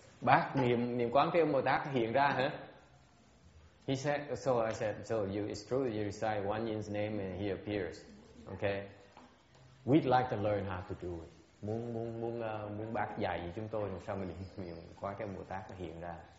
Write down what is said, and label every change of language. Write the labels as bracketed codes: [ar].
[vi] Bác niệm quán thế âm Bồ Tát hiện ra hả? [en] He said, so I said, so you, it's true that you recite Wan Yin's name and he appears. Okay? We'd like to learn how to do it. [vi] Muốn bác dạy gì chúng tôi sao mà niệm quán thế âm Bồ Tát nó hiện ra.